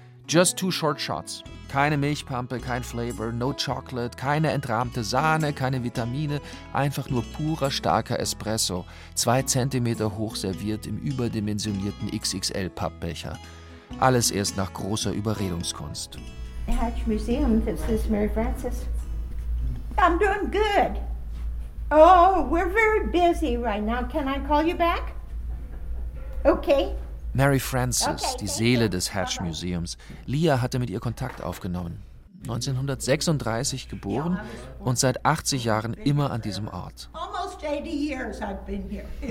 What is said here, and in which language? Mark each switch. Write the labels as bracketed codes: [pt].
[en] Just 2 short shots. [de] Keine Milchpumpe, kein Flavor, [en] no chocolate, [de] keine entrahmte Sahne, keine Vitamine, einfach nur purer, starker Espresso, 2 Zentimeter hoch serviert im überdimensionierten XXL-Pappbecher. Alles erst nach großer Überredungskunst. [en] Hatch Museum, this is Mary Frances. I'm doing good. Oh, we're very busy right now. Can I call you back? Okay. [de] Mary Frances, okay, die Seele des Hatch Museums. Lia hatte mit ihr Kontakt aufgenommen. 1936 geboren und seit 80 Jahren immer an diesem Ort. [en] Almost 80 years I've been here.